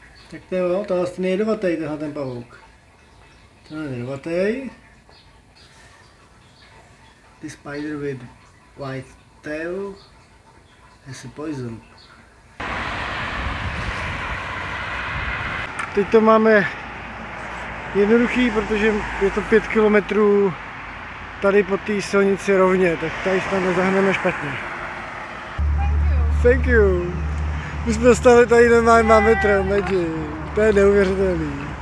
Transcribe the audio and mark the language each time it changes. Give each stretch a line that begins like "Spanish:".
Czech: Tak to jo, tohle jste nejedovatej, tenhle ten pavouk. Tenhle nervatej.
English: This spider with white tail has a poison.
Czech: Teď to máme jednoduchý, protože je to 5 km tady po té silnici rovně, tak tady se tam nezahneme špatně.
English: Thank you.
Czech: My jsme dostali tady normálně metr, medi. To je neuvěřitelný.